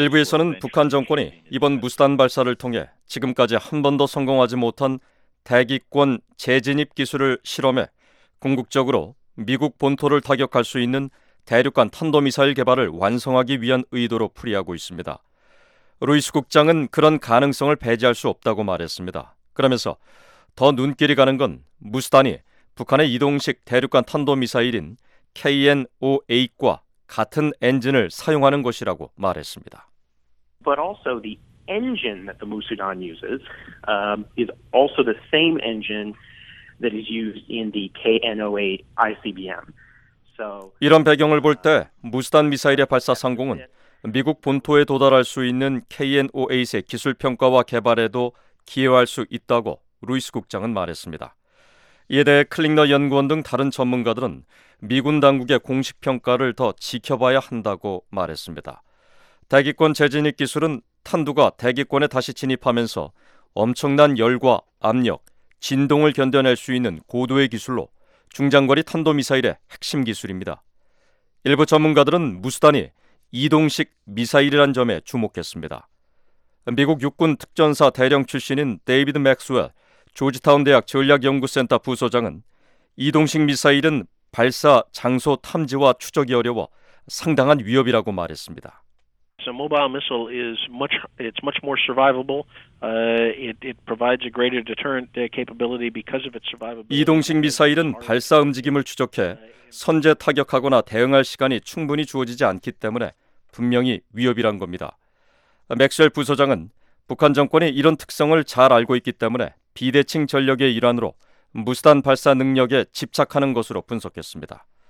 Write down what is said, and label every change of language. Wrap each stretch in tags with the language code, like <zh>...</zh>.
<ko>일부에서는 북한 정권이 이번 무수단 발사를 통해 지금까지 한 번도 성공하지 못한 대기권 재진입 기술을 실험해 궁극적으로 미국 본토를 타격할 수 있는 대륙간 탄도미사일 개발을 완성하기 위한 의도로 풀이하고 있습니다. 루이스 국장은 그런 가능성을 배제할 수 없다고 말했습니다. 그러면서 더 눈길이 가는 건 무수단이 북한의 이동식 대륙간 탄도미사일인 KN-08과 같은 엔진을 사용하는 것이라고 말했습니다.</ko> <en>But also the engine that the Musudan uses is also the same engine that is used in the KN-08 ICBM.</en> <ko>이런 배경을 볼 때 무수단 미사일의 발사 성공은 미국 본토에 도달할 수 있는 KN-08의 기술 평가와 개발에도 기여할 수 있다고 루이스 국장은 말했습니다. 이에 대해 클링너 연구원 등 다른 전문가들은 미군 당국의 공식 평가를 더 지켜봐야 한다고 말했습니다. 대기권 재진입 기술은 탄두가 대기권에 다시 진입하면서 엄청난 열과 압력, 진동을 견뎌낼 수 있는 고도의 기술로 중장거리 탄도미사일의 핵심 기술입니다. 일부 전문가들은 무수단이 이동식 미사일이란 점에 주목했습니다. 미국 육군 특전사 대령 출신인 데이비드 맥스웰 조지타운 대학 전략연구센터 부소장은 이동식 미사일은 발사 장소 탐지와 추적이 어려워 상당한 위협이라고 말했습니다.</ko> <en>It's a mobile missile is much, it's much more survivable. It provides a greater deterrent capability because of its survivability.</en> <ko>이동식 미사일은 발사 움직임을 추적해 선제 타격하거나 대응할 시간이 충분히 주어지지 않기 때문에 분명히 위협이란 겁니다. 맥스웰 부서장은 북한 정권이 이런 특성을 잘 알고 있기 때문에 비대칭 전력의 일환으로 무수단 발사 능력에 집착하는 것으로 분석했습니다.</ko>